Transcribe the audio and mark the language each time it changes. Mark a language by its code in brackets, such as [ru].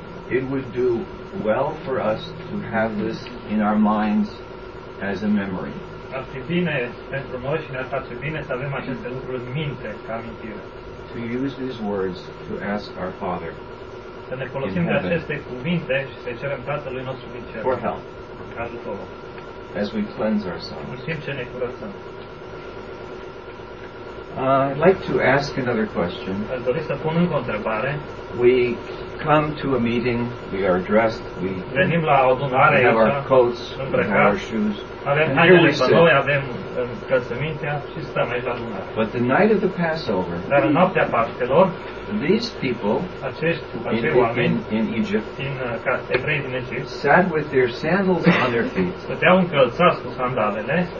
[en] it would do well for us to have this in our minds as a memory. [ro] Ar fi bine pentru noi și ne-ar face bine să avem aceste lucruri în minte, ca amintire. [en] To use these words to ask our Father. [ro] Să ne folosim de aceste cuvinte și să cerem Tatălui nostru din cer. [en] For help. [ro] Ajutor. [en] As we cleanse ourselves. [ro] În timp ce ne curățăm. [en] I'd like to ask another question. [ro] Aș dori să pun încă o întrebare. [en] We come to a meeting, we are dressed, we [ro] venim la adunare, [en] we have our coats, [ro] îmbrăcat, [en] we have our shoes, [ro] avem hainele pe noi, avem încălțămintea și stăm aici la adunare. [en] But the night of the Passover, [ro] dar în noaptea Paștelor, [en] these people, [ro] acești evrei din Egipt, [en] sat with their sandals on their feet. [ro] Stăteau încălțați cu sandalele.